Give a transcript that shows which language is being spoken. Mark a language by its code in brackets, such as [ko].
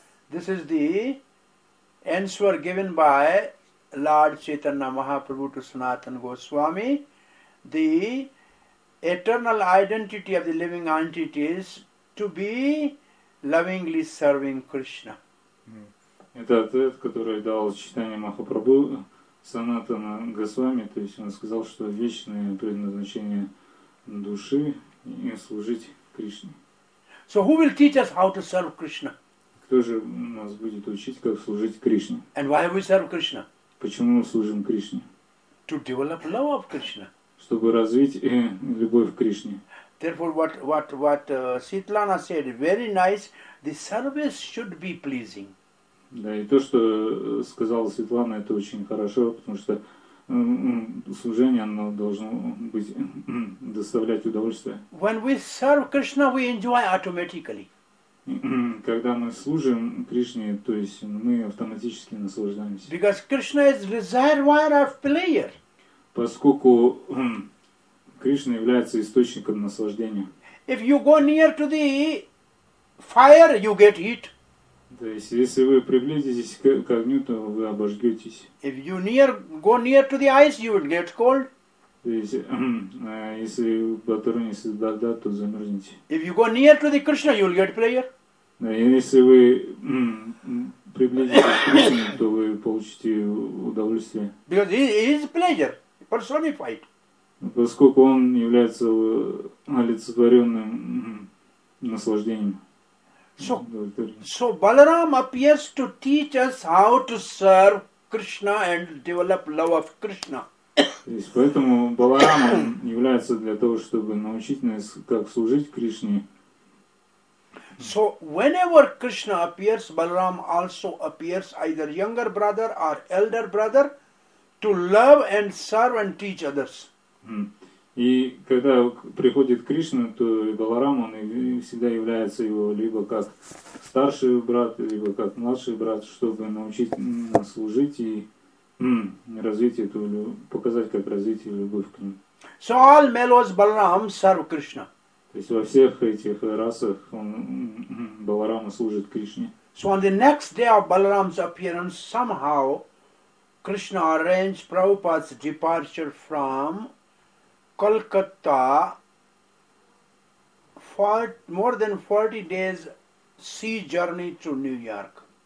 [en] This is the answer given by Lord Chaitanya Mahaprabhu to Sanatana Goswami. The eternal identity of the living entities to be lovingly serving Krishna. [ru] Это ответ, который дал Чайтанья Махапрабху. Санатана Госвами, то есть он сказал, что вечное предназначение души и служить Кришне. [en] So who will teach us how to serve Krishna? [ru] Кто же нас будет учить, как служить Кришне? [en] And why we serve Krishna? [ru] Почему мы служим Кришне? [en] To develop love of Krishna. [ru] Чтобы развить любовь к Кришне. [en] Therefore, what Sitlana said, very nice. The service should be pleasing. [ru] Да, и то, что сказала Светлана, это очень хорошо, потому что служение, оно должно быть, доставлять удовольствие. [en] When we serve Krishna, we enjoy automatically. [ru] Когда мы служим Кришне, то есть мы автоматически наслаждаемся. [en] Because Krishna is reservoir of pleasure. [ru] Поскольку Кришна является источником наслаждения. [en] If you go near to the fire, you get heat. [ru] То есть, если вы приблизитесь к огню, то вы обожгетесь. [en] If you near, go near to the ice, you will get cold. [ru] То есть, если вы дотронетесь до льда, то замерзнете. [en] If you go near to the Krishna, you will get prayer. [ru] Да, если вы приблизитесь к Кришне, то вы получите удовольствие. [en] Because he is pleasure, personified. [ru] Поскольку он является олицетворенным наслаждением. [en] So Balaram appears to teach us how to serve Krishna and develop love of Krishna. [ru] Поэтому Баларам является для того, чтобы научить нас, как служить Кришне. [en] So whenever Krishna appears, Balaram also appears, either younger brother or elder brother, to love and serve and teach others. [ru] И когда приходит Кришна, то Баларам, он всегда является его либо как старший брат, либо как младший брат, чтобы научить нас служить и развить эту любовь, показать, как развить любовь к нему. [en] So all mellows Balaram serve Krishna. [ru] То есть во всех этих расах он, Баларама служит Кришне. [en] So on the next day of Balaram's appearance, somehow Krishna arranged Prabhupada's departure from Kolkata for more than 40 days sea journey to New York.